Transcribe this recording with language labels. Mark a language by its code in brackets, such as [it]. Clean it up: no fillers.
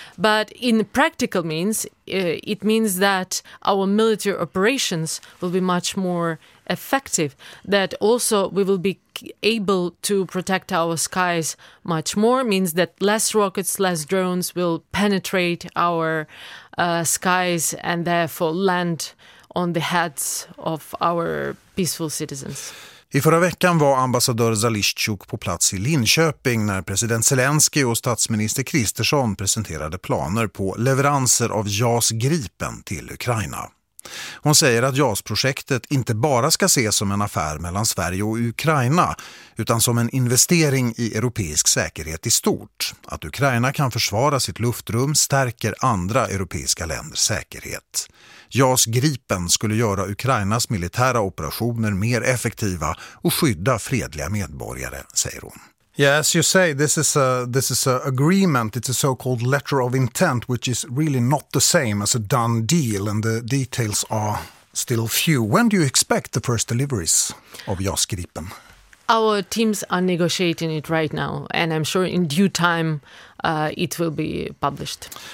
[en] But in practical means, it means that our military operations will be much more effective, that also we will be able to protect our skies much more, means that less rockets, less drones will penetrate our skies and therefore land on the heads of our peaceful citizens. [sv] I förra veckan var ambassadör Zaliszczuk på plats i Linköping när president Zelensky och statsminister Kristersson presenterade planer på leveranser av JAS Gripen till Ukraina. Hon säger att JAS-projektet inte bara ska ses som en affär mellan Sverige och Ukraina utan som en investering i europeisk säkerhet i stort. Att Ukraina kan försvara sitt luftrum stärker andra europeiska länders säkerhet. JAS Gripen skulle göra Ukrainas militära operationer mer effektiva och skydda fredliga medborgare, säger hon. [en] Yeah, as you say, this is a agreement. It's a so-called letter of intent, which is really not the same as a done deal. And the details are still few. When do you expect the first deliveries of JAS Gripen? Our teams are negotiating it right now, and I'm sure in due time it will be published.